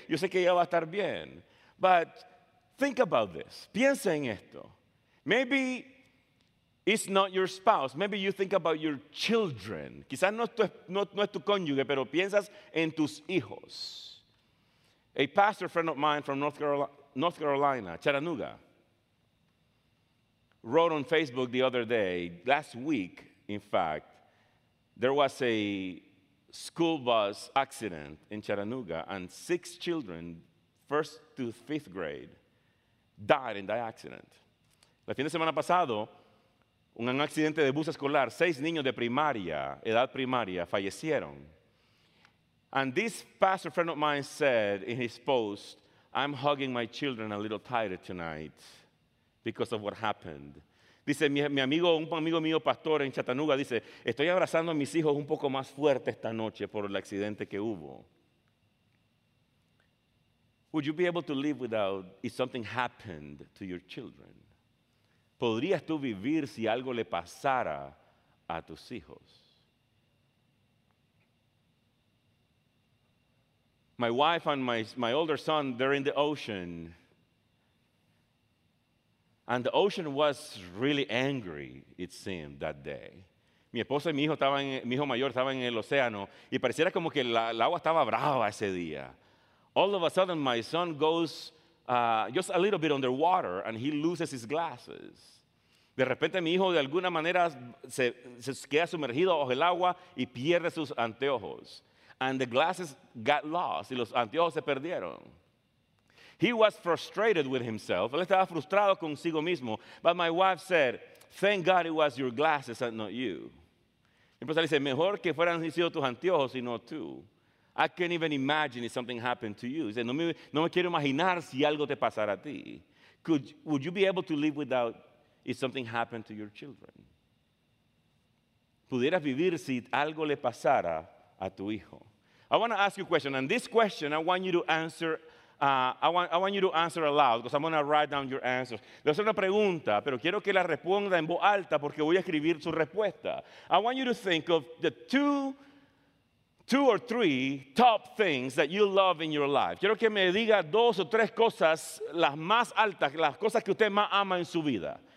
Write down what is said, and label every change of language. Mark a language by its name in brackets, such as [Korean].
[Spanish] Yo sé que ella va a estar bien. [English] But think about this. [Spanish] Piensa en esto. [English] Maybe it's not your spouse. Maybe you think about your children. [Spanish] Quizás no es tu cónyuge, pero piensas en tus hijos. [English] A pastor friend of mine from North Carolina, Chattanooga, wrote on Facebook the other day, last week, in fact, there was a school bus accident in Chattanooga, and 6 children, first to fifth grade, died in that accident. [Spanish] La fin de semana pasado, un accidente de bus escolar, 6 niños de primaria, edad primaria, fallecieron. [English] And this pastor friend of mine said in his post, I'm hugging my children a little tighter tonight because of what happened. [Spanish] Dice, un amigo mío, pastor en Chattanooga, dice, estoy abrazando a mis hijos un poco más fuerte esta noche por el accidente que hubo. [English] Would you be able to live without, if something happened to your children? [Spanish] ¿Podrías tú vivir si algo le pasara a tus hijos? [English] My wife and my older son, they're in the ocean. And the ocean was really angry, it seemed, that day. [Spanish] Mi esposa y mi hijo mayor estaban en el océano y pareciera como que el agua estaba brava ese día. [English] All of a sudden, my son goes just a little bit underwater and he loses his glasses. [Spanish] De repente mi hijo de alguna manera se queda sumergido bajo el agua y pierde sus anteojos. [English] And the glasses got lost. [Spanish] Y los anteojos se perdieron. [English] He was frustrated with himself. [Spanish] Él estaba frustrado consigo mismo. [English] But my wife said, thank God it was your glasses and not you. [Spanish] Y pues él dice, mejor que fueran sido tus anteojos y no tú. [English] I can't even imagine if something happened to you. [Spanish] Dice, no me quiero imaginar si algo te pasara a ti. [English] Would you be able to live without if something happened to your children? [Spanish] ¿Pudieras vivir si algo le pasara a tu hijo? [English] I want to ask you a question, and this question I want you to answer. I want you to answer aloud because I'm going to write down your answers. [Spanish] Voy a hacer una pregunta, pero quiero que la responda en voz alta porque voy a escribir su respuesta. [English] I want you to think of the two two or three top things that you love in your life. [Spanish] Quiero que me diga dos o tres cosas, las más altas, las cosas que usted más ama en su vida.